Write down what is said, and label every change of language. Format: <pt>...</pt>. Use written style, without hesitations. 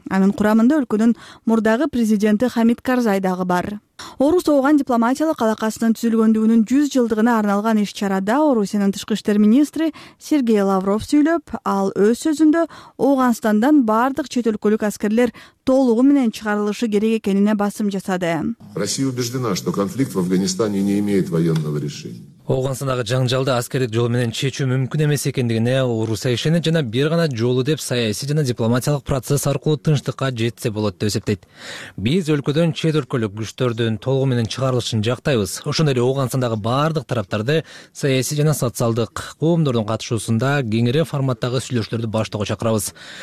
<ky>Анын курамында өлкөнүн мурдагы президенти Хамид Карзай дагы бар. Орус ооган дипломатиялык алакасынын түзүлгөндүгүнүн 100 жылдыгына арналган иш чарада Орусиянын тышкы иштер министри Сергей Лавров сүйлөп, ал өз сөзүндө Ооганстандан бардык чет өлкөлүк аскерлер толугу менен чыгарылышы керек экенине басым жасады.</ky> <ru>Россия убеждена, что конфликт в Афганистане не имеет военного решения.</ru> <ky>Ооганстандагы жаңжалды аскердик жол менен чечүү мүмкүн эмес экендигине Орусия ишенет жана бир гана жолу деп саясий жана дипломатиялык процесс аркылуу тынчтыкка жетсе болот деп эсептейт. Биз өлкөдөн чет өлкөлүк күчтөрдүн толугу менен чыгарылышын жактайбыз. Ошондой эле Ооганстандагы бардык тараптарды саясий жана социалдык коомдордун катышуусунда кеңири форматтагы сүйлөшүүлөрдү баштоого чакырабыз.</ky>